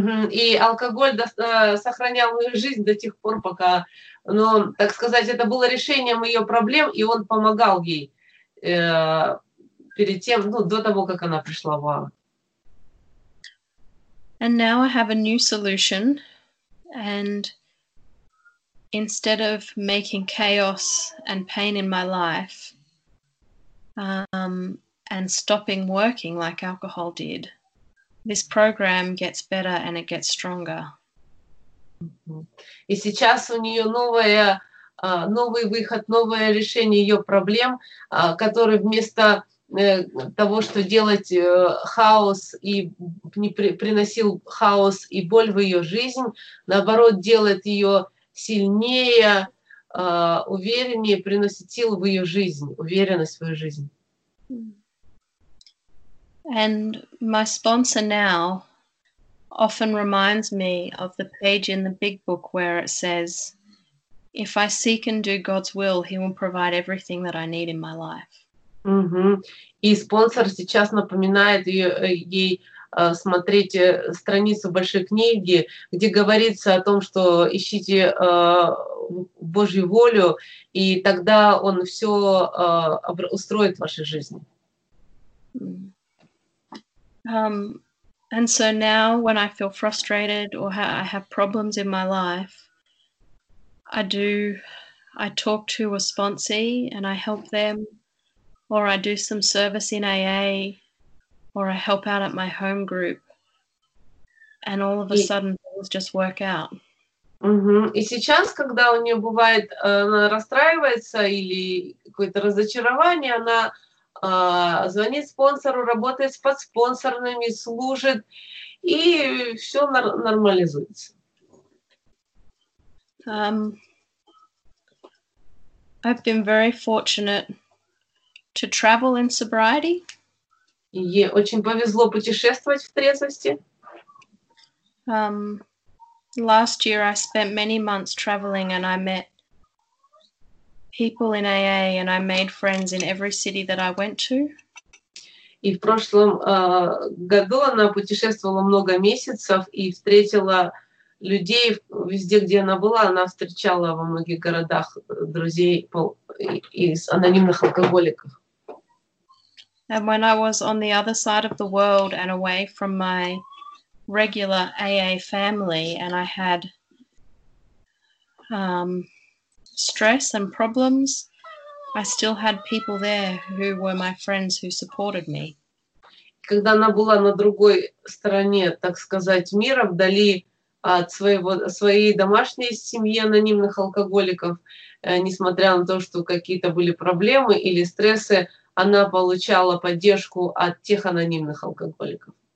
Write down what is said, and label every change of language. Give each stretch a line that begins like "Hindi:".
Russian: И алкоголь сохранял мою жизнь до тех пор, пока, ну, так сказать, это было решением ее проблем, и он помогал ей перед тем, ну, до того, как она пришла в АА.
English: And now I have a new solution, and instead of making chaos and pain in my life, and stopping working like alcohol did, this program gets better and it gets stronger.
Russian: И сейчас у нее новый выход, новое решение ее проблем, который вместо того, что делать хаос и приносил хаос и боль в ее жизнь, наоборот, делает ее сильнее, увереннее, приносит силу в ее жизнь, уверенность в свою жизнь.
English: And my sponsor now often reminds me of the page in the big book where it says, if I seek and do God's will, he will provide everything that I need in my life.
Russian: И спонсор сейчас напоминает ей смотреть страницу большой книги, где говорится о том, что ищите Божью волю, и тогда он все устроит в вашей жизни.
English: And so now when I feel frustrated or I have problems in my life, I do I talk to a sponsee and I help them, or I do some service in AA, or I help out at my home group, and all of a sudden things just work out. Угу.
Russian: И сейчас, когда у нее бывает, она расстраивается или какое-то разочарование, она звонит спонсору, работает с подспонсорными, служит, и все нормализуется.
English: I've been very fortunate to travel in sobriety.
Russian: Ей очень повезло путешествовать в трезвости.
English: Last year I spent many months traveling and I met people in AA and I made friends in every city that I went to.
Russian: И в прошлом году она путешествовала много месяцев и встретила людей везде, где она была. Она встречала во многих городах друзей из анонимных алкоголиков.
English: And when I was on the other side of the world and away from my regular AA family, and I had stress and problems, I still had people there who were my friends who supported me.
Russian: Когда она была на другой стороне, так сказать, мира, вдали от своей домашней семьи анонимных алкоголиков, несмотря на то, что какие-то были проблемы или стрессы, она получала поддержку от тех анонимных алкоголиков.